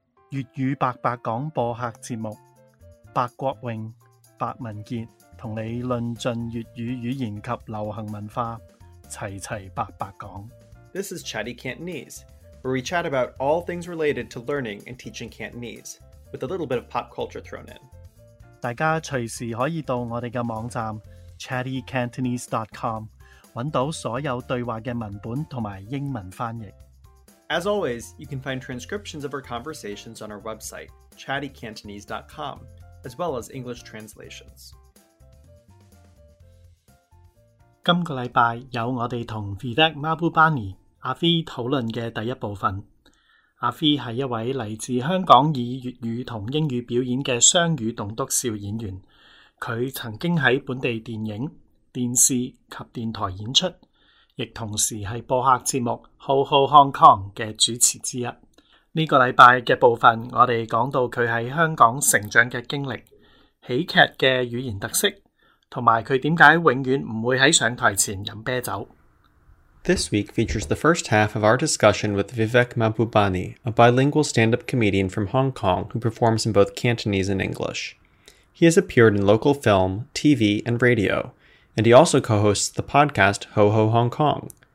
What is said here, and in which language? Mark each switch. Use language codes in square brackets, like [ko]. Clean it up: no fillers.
[yue] 粤语白白广播客节目，白国荣、白文杰同你论尽粤语语言及流行文化，齐齐白白讲。 [en] This is Chatty Cantonese, where we chat about all things related to learning and teaching Cantonese, with a little bit of pop culture thrown in. [yue] 大家随时可以到我哋嘅网站 chattycantonese.com 揾到所有对话嘅文本同埋英文翻译。 [en] As always, you can find transcriptions of our conversations on our website, chattycantonese.com, as well as English translations. [yue] 今个礼拜有我哋同 Vivek Mabubani 阿 V 讨论嘅第一部分。阿 V 系一位嚟自香港以粤语同英语表演嘅双语栋笃笑演员，佢曾经喺本地电影、电视及电台演出。亦同时是播客节目《浩浩 Hong Kong》的主持之一。这个礼拜的部分，我们讲到他在香港成长的经历、喜剧的语言特色，同埋他为什么永远不会在上台前喝啤酒。 [en] This week features the first half of our discussion with Vivek Mabubani, a bilingual stand-up comedian from Hong Kong who performs in both Cantonese and English. He has appeared in local film, TV, and radio. And he also co-hosts the podcast Ho Ho Hong Kong.